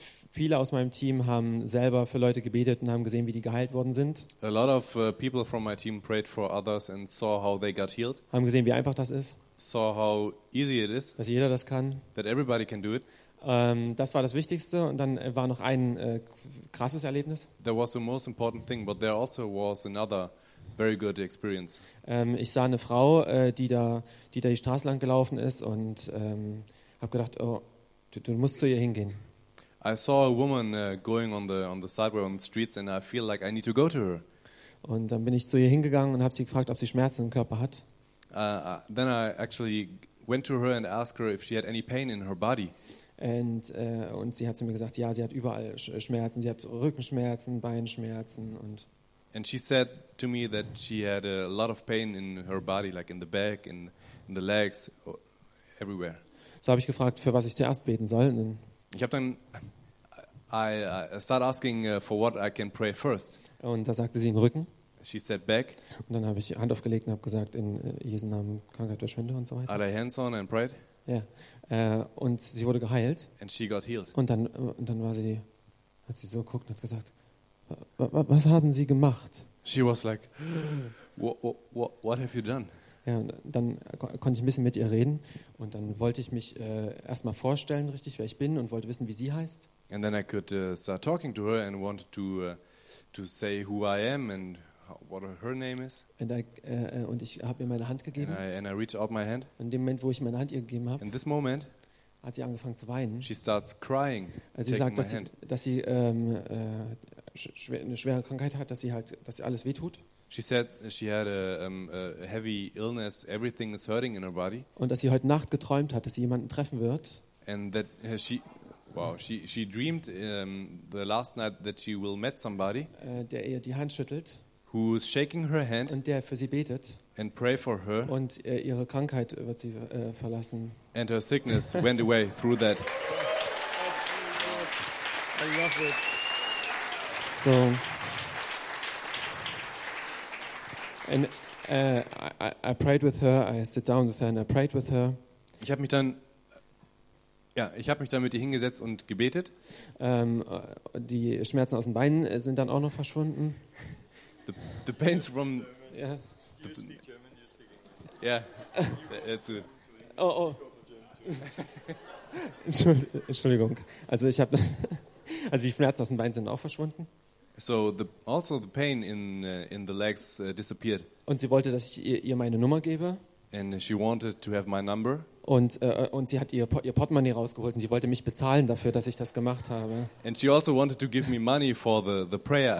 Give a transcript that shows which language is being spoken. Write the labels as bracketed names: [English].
[German] Viele aus meinem Team haben selber für Leute gebetet und haben gesehen, wie die geheilt worden sind. [English] A lot of people from my team prayed for others and saw how they got healed. [German] Haben gesehen, wie einfach das ist. [English] Saw how easy it is. [German] Dass jeder das kann. [English] That everybody can do it. [German] Das war das Wichtigste, und dann war noch ein krasses Erlebnis. [English] There was the most important thing, but there also was another. Very good experience. [German] Ich sah eine Frau, die da die Straße lang gelaufen ist, und habe gedacht, oh, du musst zu ihr hingehen. [English] I saw a woman going on the sidewalk on the streets, and I feel like I need to go to her. [German] Und dann bin ich zu ihr hingegangen und habe sie gefragt, ob sie Schmerzen im Körper hat. [English] Then I actually went to her and asked her if she had any pain in her body. [German] Und sie hat zu mir gesagt, ja, sie hat überall Schmerzen, sie hat Rückenschmerzen, Beinschmerzen und. [English] And she said to me that she had a lot of pain in her body, like in the back, in the legs, everywhere. [German] So habe ich gefragt, für was ich zuerst beten soll. Ich habe dann [English] started asking for what I can pray first. [German] Und da sagte sie in Rücken. [English] She said back. [German] Und dann habe ich Hand aufgelegt und habe gesagt, in Jesu Namen Krankheit verschwinde und so weiter. [English] Are I hands on and prayed? [German] Yeah. Und sie wurde geheilt. [English] And she got healed. [German] Und dann war sie, hat sie so geguckt und hat gesagt, was haben Sie gemacht? [English] She was like, what have you done? [German] Ja, und dann konnte ich ein bisschen mit ihr reden und dann wollte ich mich erstmal vorstellen, richtig, wer ich bin und wollte wissen, wie sie heißt. [English] And then I could start talking to her and wanted to say who I am and what her name is. [German] And und ich habe ihr meine Hand gegeben. [English] And I reached out my hand. [German] In dem Moment, wo ich meine Hand ihr gegeben habe. [English] In this moment, [German] hat sie angefangen zu weinen. [English] She starts crying. [German] Sie sagt, dass sie eine schwere Krankheit hat, dass sie alles wehtut. [English] She said she had a heavy illness. Everything is hurting in her body. [German] Und dass sie heute Nacht geträumt hat, dass sie jemanden treffen wird. [English] And that she dreamed the last night that she will meet somebody. [German] Der ihr die Hand schüttelt. [English] Who is shaking her hand. [German] Und der für sie betet. [English] And pray for her. [German] Und ihre Krankheit wird sie verlassen. [English] And her sickness went away through that. I love it. So. And I prayed with her. I sit down with her and I prayed with her. [German] Ich habe mich dann mit ihr hingesetzt und gebetet. Die Schmerzen aus den Beinen sind dann auch noch verschwunden. [English] The pains from yeah. You speak German. You're speaking. Yeah. Oh. [German] Entschuldigung. Also ich habe also die Schmerzen aus den Beinen sind auch verschwunden. [English] So the pain in the legs disappeared. [German] Und sie wollte, dass ich ihr meine Nummer gebe. [English] And she wanted to have my number. [German] Und sie hat ihr Portemonnaie rausgeholt und sie wollte mich bezahlen dafür, dass ich das gemacht habe. [English] And she also wanted to give me money for the prayer.